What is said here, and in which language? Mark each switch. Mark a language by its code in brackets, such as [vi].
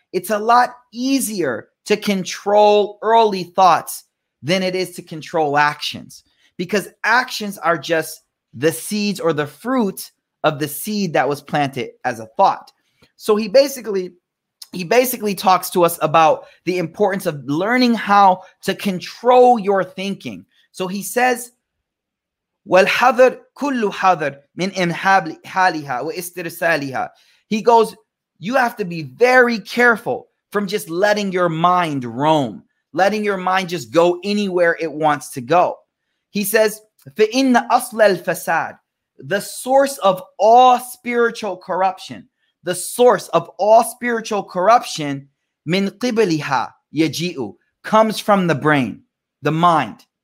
[en] It's a lot easier to control early thoughts than it is to control actions, because actions are just the seeds or the fruit of the seed that was planted as a thought. So he basically talks to us about the importance of learning how to control your thinking. So he says, [ar] وَالْحَذَرْ كُلُّ حَذَرْ مِنْ إِمْحَالِهَا وَإِسْتِرْسَالِهَا. [en] He goes, you have to be very careful from just letting your mind roam, letting your mind just go anywhere it wants to go. He says, [ar] فَإِنَّ أَصْلَ الْفَسَادِ, [en] the source of all spiritual corruption, the source of all spiritual corruption, [ar] مِنْ قِبَلِهَا يَجِئُ, [en] comes from the brain, the mind.